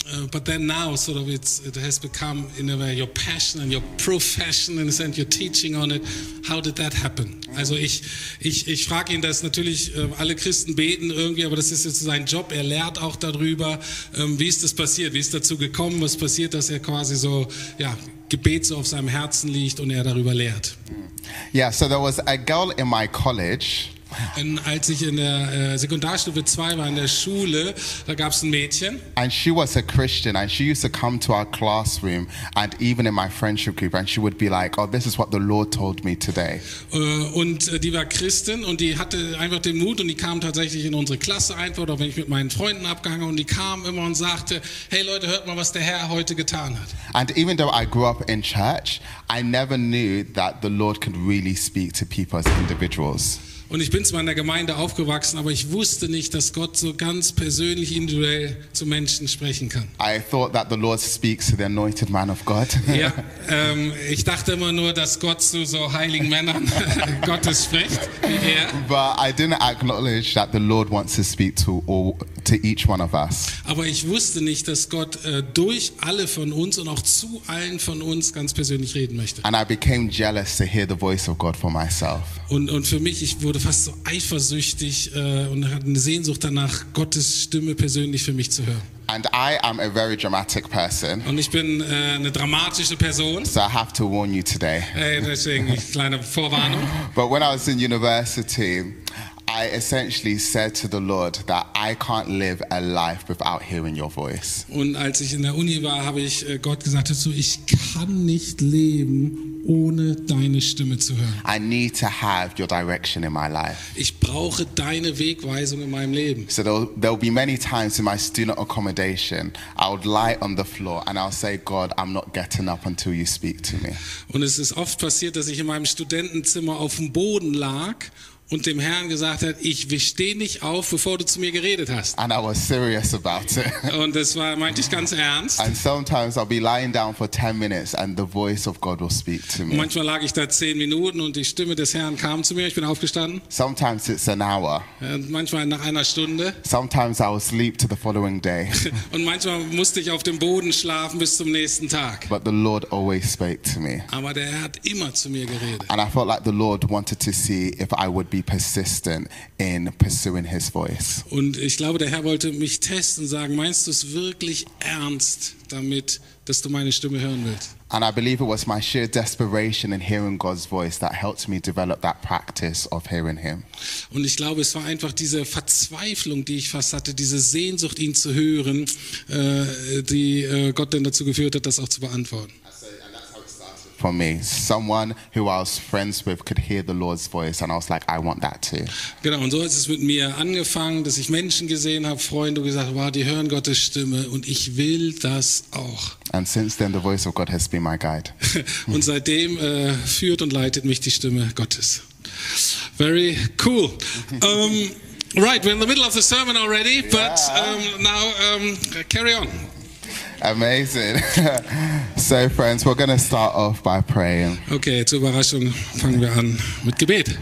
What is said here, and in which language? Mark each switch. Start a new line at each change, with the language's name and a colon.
English: But then now, sort of, it has become in a way your passion and your profession, in a sense, your teaching on it. How did that happen?
German: Also ich frage ihn das natürlich. Alle Christen beten irgendwie, aber das ist jetzt sein Job. Er lehrt auch darüber. Wie ist das passiert? Wie ist dazu gekommen? Was passiert, dass er quasi so, ja, Gebet so auf seinem Herzen liegt und er darüber lehrt?
English: Yeah, so there was a girl in my college.
German: Und als ich in der Sekundarstufe 2 war in der Schule, da gab es ein Mädchen.
English: And she was a Christian and she used to come to our classroom and even in my friendship group and she would be like, oh, this is what the Lord told me today.
German: Und die war Christin und die hatte einfach den Mut und die kam tatsächlich in unsere Klasse einfach, oder wenn ich mit meinen Freunden abgehangen und die kam immer und sagte, hey Leute, hört mal, was der Herr heute getan hat.
English: And even though I grew up in church, I never knew that the Lord could really speak to people as individuals.
German: Und ich bin zwar in der Gemeinde aufgewachsen, aber ich wusste nicht, dass Gott so ganz persönlich, individuell zu Menschen sprechen kann.
English: I thought that the Lord speaks to the anointed man of God.
German: Ja, ich dachte immer nur, dass Gott zu so heiligen Männern Gottes spricht. Ja.
English: But I didn't acknowledge that the Lord wants to speak to all, to each one of us.
German: Aber ich wusste nicht, dass Gott durch alle von uns und auch zu allen von uns ganz persönlich reden möchte.
English: And I became jealous to hear the voice of God for myself.
German: Und für mich, ich wurde fast so eifersüchtig und hatte eine Sehnsucht danach, Gottes Stimme persönlich für mich zu hören.
English: And I am a very dramatic person.
German: Und ich bin eine dramatische Person.
English: So I have to warn you today.
German: Deswegen eine kleine Vorwarnung.
English: But when I was in university, I essentially said to the Lord that I can't live a life without hearing your voice.
German: Und als ich in der Uni war, habe ich Gott gesagt dazu, ich kann nicht leben, ohne deine Stimme zu hören.
English: I need to have your direction in my life.
German: Ich brauche deine Wegweisung in meinem Leben.
English: So there'll be many times in my student accommodation, I would lie on the floor and I'll say, God, I'm not getting up until you speak to me.
German: Und es ist oft passiert, dass ich in meinem Studentenzimmer auf dem Boden lag und dem Herrn gesagt hat, ich stehe nicht auf, bevor du zu mir geredet hast.
English: And I was serious about it.
German: Und das war, meinte ich ganz ernst.
English: And sometimes I'll be lying down for 10 minutes and the voice of God will speak to me.
German: Manchmal lag ich da 10 Minuten und die Stimme des Herrn kam zu mir, ich bin aufgestanden.
English: Sometimes it's an hour.
German: Und manchmal nach einer Stunde.
English: Sometimes I will sleep to the following day.
German: Und manchmal musste ich auf dem Boden schlafen bis zum nächsten Tag.
English: But the Lord always spoke to me.
German: Aber der Herr hat immer zu mir geredet.
English: And I felt like the Lord wanted to see if I would be persistent in pursuing his voice.
German: Und ich glaube, der Herr wollte mich testen, sagen, meinst du es wirklich ernst damit, dass du meine Stimme hören willst?
English: And I believe it was my sheer desperation in hearing God's voice that helped me develop that practice of hearing him.
German: Und ich glaube, es war einfach diese Verzweiflung, die ich fast hatte, diese Sehnsucht, ihn zu hören, die Gott denn dazu geführt hat, das auch zu beantworten.
English: For me, someone who I was friends with could hear the Lord's voice, and I was like, I want that too.
German: Genau, und so hat es mit mir angefangen, dass ich Menschen gesehen habe, Freunde, und gesagt, wow, die hören Gottes Stimme, und ich will das auch.
English: And since then, the voice of God has been my guide.
German: Und seitdem führt und leitet mich die Stimme Gottes.
English: Very cool. Right, we're in the middle of the sermon already, yeah. But now carry on. Amazing. So friends, we're going to start off by praying.
German: Okay, zur Überraschung fangen wir an mit Gebet.